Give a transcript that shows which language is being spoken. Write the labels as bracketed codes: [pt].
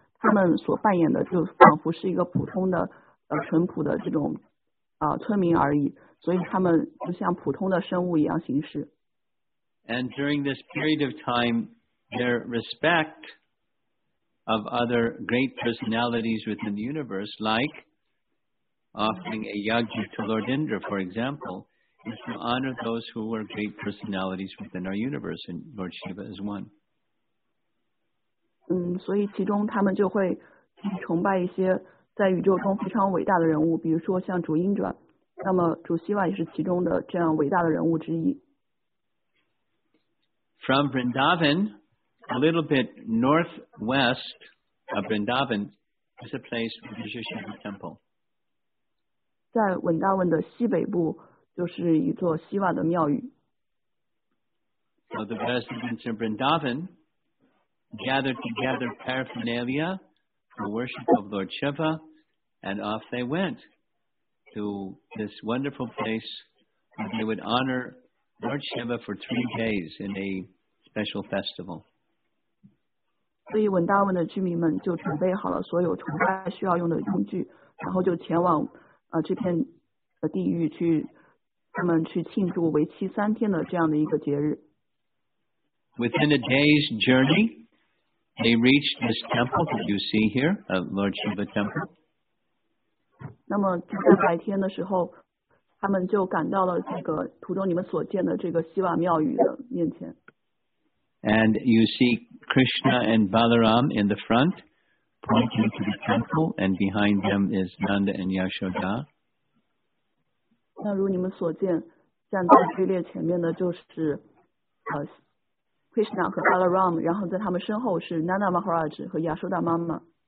[zh] 他们所扮演的就仿佛是一个普通的淳朴的这种村民而已，所以他们就像普通的生物一样行事。 [en] And during this period of time, their respect of other great personalities within the universe, like offering a yajna to Lord Indra, for example, is to honor those who were great personalities within our universe, and Lord Shiva is one. [zh] 所以其中他们就会崇拜一些在宇宙中非常伟大的人物，比如说像主英转，那么主希瓦也是其中的这样伟大的人物之一。 [en] From Vrindavan, a little bit northwest of Vrindavan, is a place with the Shiva temple. [zh] 在文达文的西北部就是一座希瓦的庙宇。 [en] So the residents of Vrindavan gathered together paraphernalia for worship of Lord Shiva, and off they went to this wonderful place where they would honor Lord Shiva for 3 days in a special festival. [zh] 所以文达文的居民们就准备好了所有崇拜需要用的用具，然后就前往这片地域去，他们去庆祝为期三天的这样的一个节日。 [en] Within a day's journey, they reached this temple that you see here, a Lord Shiva temple. [zh] 那么就在白天的时候，他们就赶到了这个途中你们所见的这个希瓦庙宇的面前。 [en] And you see Krishna and Balaram in the front, pointing to the temple, and behind them is Nanda and Yashoda. [zh] 那如你们所见，站在序列前面的就是Krishna 和 Balaram， 然后在他们身后是 Nanda Maharaj 和 Yashoda 妈妈。